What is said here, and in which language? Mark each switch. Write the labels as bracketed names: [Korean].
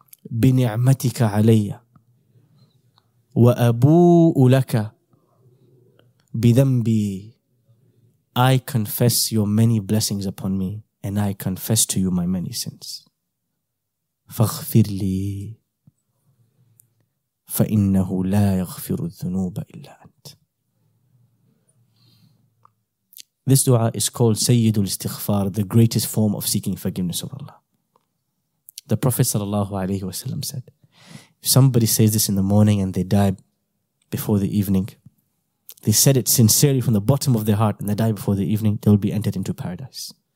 [Arabic] بنعمتك علي وأبوء لك بذنبي. [English] I confess your many blessings upon me and I confess to you my many sins. [Arabic] فاغفر لي فإنه لا يغفر الذنوب إلا أنت. [English] This dua is called Sayyidul Istighfar, the greatest form of seeking forgiveness of Allah. The Prophet [Arabic] sallallahu alayhi wasallam [English] said, if somebody says this in the morning and they die before the evening, they said it sincerely from the bottom of their heart and they die before the evening, they will be entered into paradise.